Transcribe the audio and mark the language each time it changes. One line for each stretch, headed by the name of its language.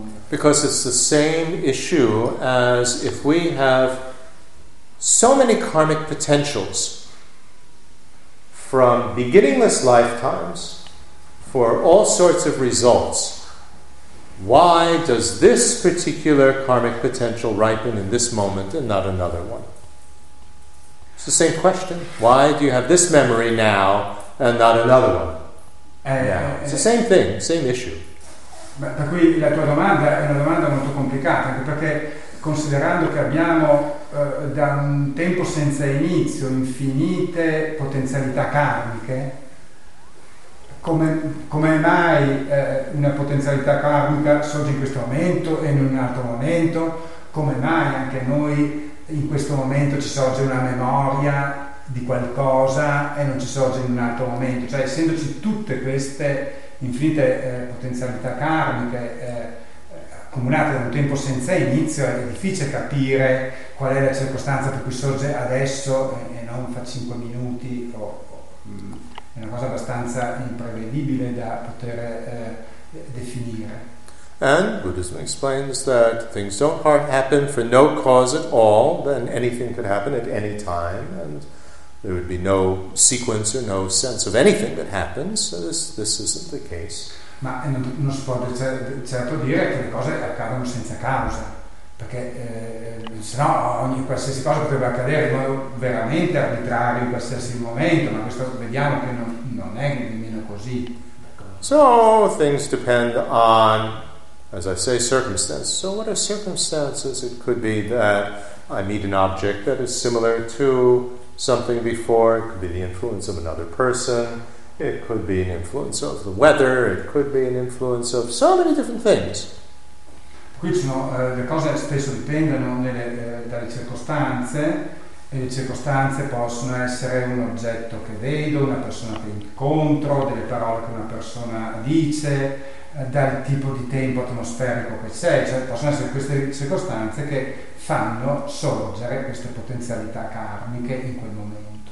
English: Because it's the same issue as if we have so many karmic potentials from beginningless lifetimes for all sorts of results. Why does this particular karmic potential ripen in this moment and not another one? It's the same question. Why do you have this memory now and not another one? It's the same thing, same issue.
Italian: Beh, per cui la tua domanda è una domanda molto complicata, anche perché considerando che abbiamo da un tempo senza inizio infinite potenzialità karmiche, come mai una potenzialità karmica sorge in questo momento e in un altro momento? Come mai anche noi in questo momento ci sorge una memoria di qualcosa e non ci sorge in un altro momento? Cioè, essendoci tutte queste infinite potenzialità karmiche accumulate da un tempo senza inizio, è difficile capire qual è la circostanza per cui sorge adesso e non fa 5 minuti È una cosa abbastanza imprevedibile da poter definire.
English: And Buddhism explains that things don't happen for no cause at all, then anything could happen at any time, and there would be no sequence or no sense of anything that happens, so this isn't the case.
Italian: Ma non si può certo dire che le cose accadono senza causa, perché se no ogni qualsiasi cosa potrebbe accadere in modo veramente arbitrario in qualsiasi momento, ma questo vediamo che non è nemmeno così.
English: So things depend on, as I say, circumstances. So what are circumstances? It could be that I meet an object that is similar to something before. It could be the influence of another person. It could be an influence of the weather. It could be an influence of so many different things.
Italian: Qui ci sono, le cose spesso dipendono dalle circostanze, e le circostanze possono essere un oggetto che vedo, una persona che incontro, delle parole che una persona dice, dal tipo di tempo atmosferico che c'è, cioè possono essere queste circostanze che fanno sorgere queste potenzialità karmiche in quel momento.